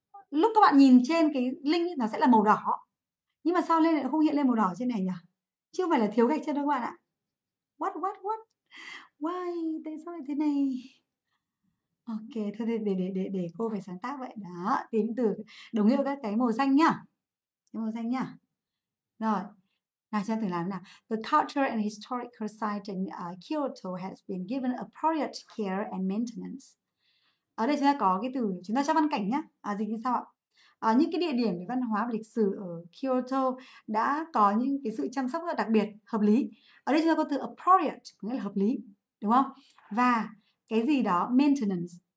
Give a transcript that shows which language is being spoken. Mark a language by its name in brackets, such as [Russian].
[Vietnamese] Lúc các bạn nhìn trên cái link nó sẽ là màu đỏ. Nhưng mà sao lên lại không hiện lên màu đỏ trên này nhỉ? Chứ không phải là thiếu gạch chân đâu các bạn ạ. Why? Tại sao lại thế này? Ok, thôi để cô phải sáng tác vậy đó. Tìm từ đồng nghĩa các cái màu xanh nhá. Cái màu xanh nhá. Rồi. Nào, cho thử làm nào. [English] The cultural and historical site in Kyoto has been given appropriate care and maintenance. [Vietnamese] Ở đây chúng ta có cái từ, chúng ta cho văn cảnh nhé. À, dịch như sau ạ. À, những cái địa điểm về văn hóa và lịch sử ở Kyoto đã có những cái sự chăm sóc rất đặc biệt, hợp lý. Ở đây chúng ta có từ appropriate, nghĩa là hợp lý, đúng không? Và cái gì đó, maintenance.